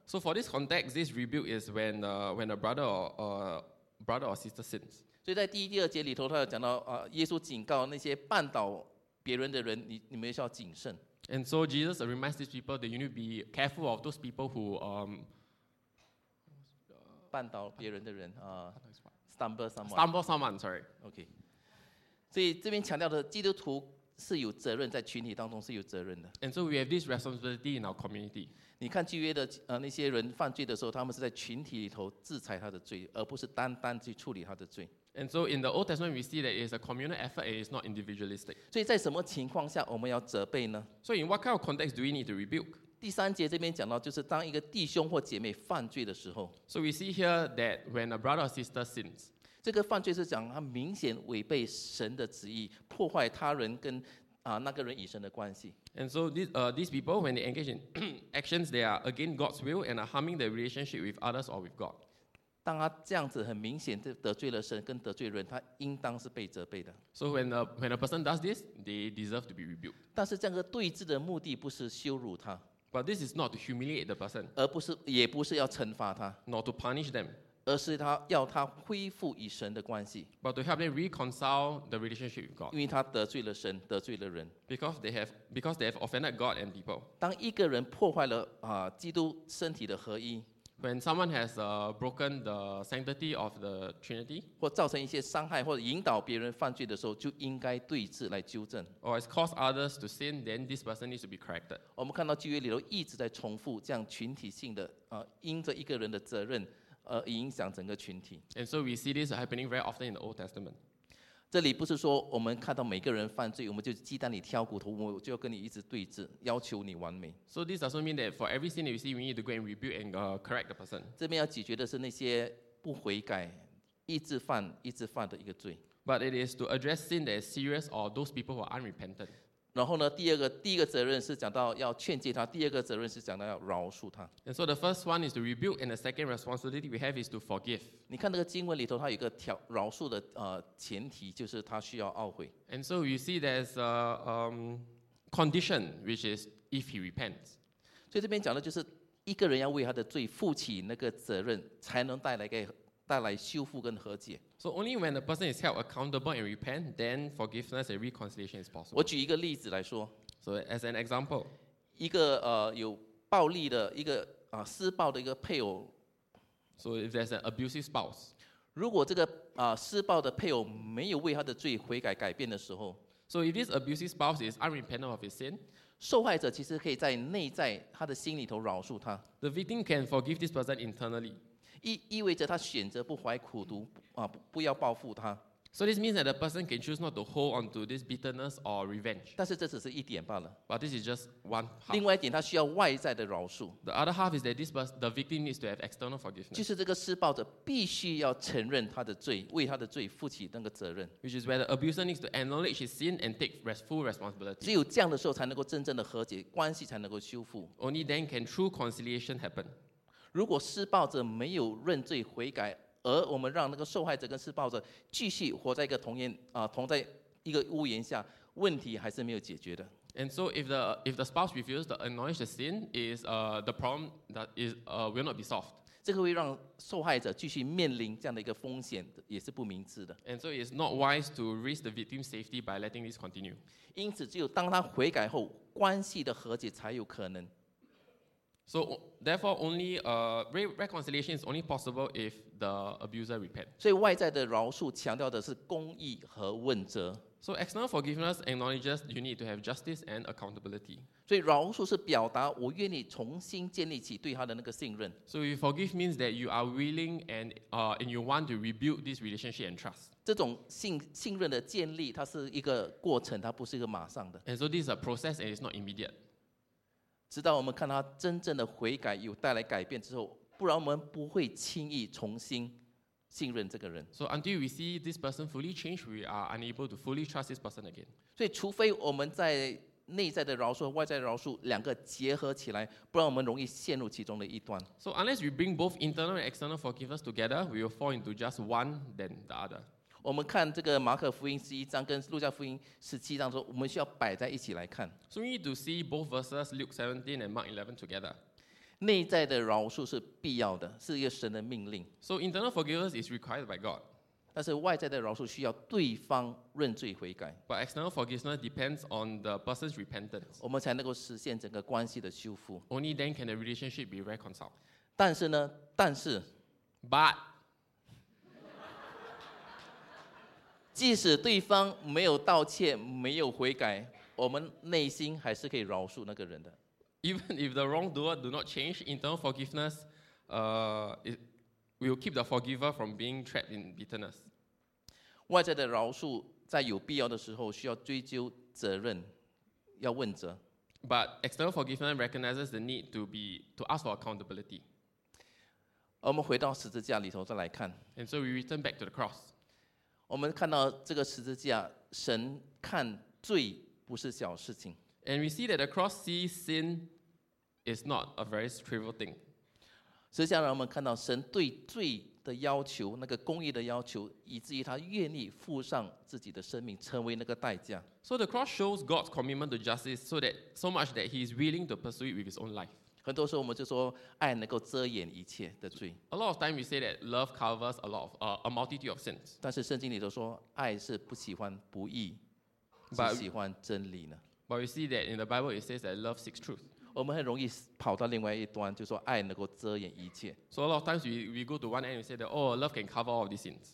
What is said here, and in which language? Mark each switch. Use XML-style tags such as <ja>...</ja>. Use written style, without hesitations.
<en>So for this context, this rebuke is when a brother or sister sins.</en> <zh>所以在第一、第二节里头，他有讲到耶稣警告那些绊倒别人的人，你们需要谨慎。</zh> <en>And so Jesus reminds these people that you need to be careful of those people who</en> <zh>绊倒别人的人啊、</zh> <en>stumble someone. Stumble someone, sorry. Okay.</en> <zh>所以这边强调的基督徒是有责任，在群体当中是有责任的。</zh> <en>And so we have this responsibility in our community.</en> <zh>你看旧约的那些人犯罪的时候，他们是在群体里头制裁他的罪，而不是单单去处理他的罪。</zh> <en>And so in the Old Testament, we see that it is a communal effort and it's not individualistic.</en> <zh>所以在什么情况下我们要责备呢？</zh> <en>So in what kind of context do we need to rebuke?</en> <zh>第三节这边讲到，就是当一个弟兄或姐妹犯罪的时候。</zh> <en>So we see here that when a brother or sister sins.</en> <zh>这个犯罪是讲他明显违背神的旨意，破坏他人跟那个人以神的关系。</zh> <en>And so these people, when they engage in actions, they are against God's will and are harming their relationship with others or with God.</en> <zh>当他这样子很明显得罪了神跟得罪人，他应当是被责备的。</zh> <en>So when a person does this, they deserve to be rebuked.</en> <zh>但是这个对峙的目的不是羞辱他。</zh> <en>But this is not to humiliate the person.</en> <zh>而不是也不是要惩罚他。</zh> <en>Nor to punish them.</en> <zh>而是他要他恢复与神的关系。</zh> <en>But to help them reconcile the relationship with God.</en> <zh>因为他得罪了神，得罪了人。</zh> <en>Because they have offended God and people.</en> <zh>当一个人破坏了基督身体的合一。</zh> <en>When someone has broken the sanctity of the Trinity.</en> <zh>或造成一些伤害，或者引导别人犯罪的时候，就应该对峙来纠正。</zh> <en>Or has caused others to sin, then this person needs to be corrected.</en> <zh>我们看到旧约里头一直在重复这样群体性的因着一个人的责任。影响整个群体。</zh> <en>And so we see this happening very often in the Old Testament.</en> <zh>这里不是说我们看到每个人犯罪，我们就鸡蛋里挑骨头，我就要跟你一直对峙，要求你完美。</zh> <en>So this doesn't mean that for every sin that you see, we need to go and rebuke and correct the person.</en> <zh>这边要解决的是那些不悔改、一直犯的一个罪。</zh> <en>But it is to address sin that is serious or those people who are unrepentant.</en> <zh>然后呢，第一个责任是讲到要劝诫他，第二个责任是讲到要饶恕他。</zh> <en>And so the first one is to rebuke, and the second responsibility we have is to forgive.</en> <zh>你看那个经文里头，它有一个饶恕的前提，就是他需要懊悔。</zh> <en>And so you see there's a condition which is if he repents.</en> <zh>所以这边讲的就是一个人要为他的罪负起那个责任，才能带来修复跟和解。</zh> <en>So only when a person is held accountable and repent, then forgiveness and reconciliation is possible.</en> <zh>我举一个例子来说。</zh> <en>So as an example,</en> <zh>一个有暴力的一个施暴的一个配偶。</zh> <en>So if there's an abusive spouse,</en> <zh>如果这个施暴的配偶没有为他的罪悔改改变的时候。</zh> <en>So if this abusive spouse is unrepentant of his sin.</en> <zh>受害者其实可以在内在他的心里头饶恕他。</zh> <en>The victim can forgive this person internally.</en> <zh>意味着他选择不怀苦毒不要报复他。</zh> <en>So this means that the person can choose not to hold on to this bitterness or revenge.</en> <zh>但是这只是一点罢了。</zh> <en>But this is just one half.</en> <zh>另外一点，他需要外在的饶恕。</zh> <en>The other half is that this person, the victim needs to have external forgiveness.</en> <zh>就是这个施暴者必须要承认他的罪，为他的罪负起那个责任。</zh> <en>Which is where the abuser needs to acknowledge his sin and take full responsibility.</en> <zh>只有这样的时候，才能够真正的和解，关系才能够修复。</zh> <en>Only then can true conciliation happen.</en> <zh>如果施暴者没有认罪悔改，而我们让那个受害者跟施暴者继续活在一个同在一个屋檐下，问题还是没有解决的。</zh> <en>And so if the spouse refuses to acknowledge the sin, is the problem that is will not be solved.</en> <zh>这个会让受害者继续面临这样的一个风险，也是不明智的。</zh> <en>And so it's not wise to risk the victim's safety by letting this continue.</en> <zh>因此，只有当他悔改后，关系的和解才有可能。</zh> <en>So therefore, only reconciliation is only possible if the abuser repents.</en> <zh>所以外在的饶恕强调的是公义和问责。</zh> <en>So external forgiveness acknowledges you need to have justice and accountability.</en> <zh>所以饶恕是表达我愿意重新建立起对他的那个信任。</zh> <en>So you forgive means that you are willing and you want to rebuild this relationship and trust.</en> <zh>这种信任的建立，它是一个过程，它不是一个马上的。</zh> <en>And so this is a process and it's not immediate.</en> <zh>直到我们看他真正的悔改有带来改变之后，不然我们不会轻易重新信任这个人。</zh> <en>So until we see this person fully changed, we are unable to fully trust this person again.</en> <zh>所以除非我们在内在的饶恕和外在的饶恕两个结合起来，不然我们容易陷入其中的一端。</zh> <en>So unless we bring both internal and external forgiveness together, we will fall into just one than the other.</en> <zh>我们看这个马可福音十一章跟路加福音十七章中，我们需要摆在一起来看。</zh> <en>So we need to see both verses Luke 17 and Mark 11 together.</en> <zh>内在的饶恕是必要的，是一个神的命令。</zh> <en>So internal forgiveness is required by God.</en> <zh>但是外在的饶恕需要对方认罪悔改。</zh> <en>But external forgiveness depends on the person's repentance.</en> <zh>我们才能够实现整个关系的修复。</zh> <en>Only then can the relationship be reconciled.</en> <zh>但是呢？但是。</zh> <en>But.</en> <zh>即使对方没有道歉、没有悔改，我们内心还是可以饶恕那个人的。</zh> <en>Even if the wrongdoer do not change, internal forgiveness, will keep the forgiver from being trapped in bitterness.</en> <zh>外在的饶恕在有必要的时候需要追究责任，要问责。</zh> <en>But external forgiveness recognizes the need to ask for accountability.</en> <zh>我们回到十字架里头再来看。</zh> <en>And so we return back to the cross.</en> <zh>我们看到这个十字架，神看罪不是小事情。</zh> <en>And we see that the cross sees sin is not a very trivial thing.</en> <zh>实际上让我们看到神对罪的要求，那个公义的要求，以至于他愿意付上自己的生命，成为那个代价。</zh> <en>So the cross shows God's commitment to justice so much that he is willing to pursue it with his own life.</en> <zh>很多时候我们就说爱能够遮掩一切的罪。</zh> <en>A lot of time we say that love covers a multitude of sins.</en> <zh>但是圣经里都说爱是不喜欢不义，只喜欢真理呢。</zh> <en>But we see that in the Bible it says that love seeks truth.</en> <zh>我们很容易跑到另外一端，就说爱能够遮掩一切。</zh> <en>So a lot of times we go to one end and say that oh love can cover all of these sins.</en>